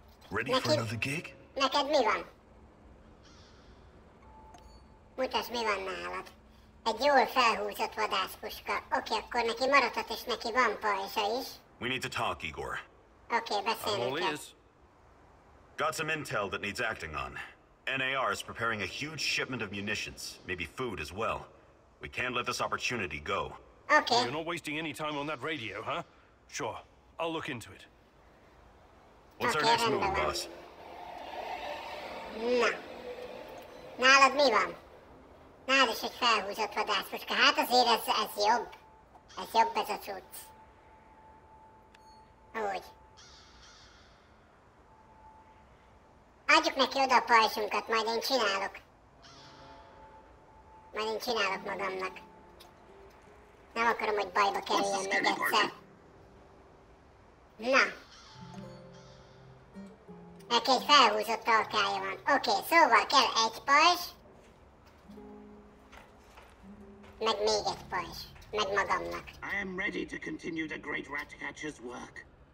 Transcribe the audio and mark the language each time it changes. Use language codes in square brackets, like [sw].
[en] Ready neki, for another gig? [hu] Neked mi van? Mutasd, mi van nálad. Egy jól felhúzott vadászpuska. Oké, akkor neki maradhat, és neki van pajzsa is. [en] We need to talk, Igor. [hu] Oké, beszélünk. [en] Got some intel that needs acting on. NAR is preparing a huge shipment of munitions, maybe food as well. We can't let this opportunity go. Okay. You're not wasting any time on that radio, huh? Sure, I'll look into it. What's okay, our next move, boss? [hu] Na. Nálad mi van? Nálad is egy felhúzott vadászpuska. Hát azért ez jobb. Ez jobb ez a cucc. Ahogy. Adjuk neki oda a pajzsunkat, majd én csinálok. Majd én csinálok magamnak. Nem akarom, hogy bajba kerüljön még egyszer. Na. Neki egy felhúzott alkája van. Oké, szóval kell egy pajzs. Meg még egy pajzs. Meg magamnak. [en] I am ready to continue the great rat catcher's work.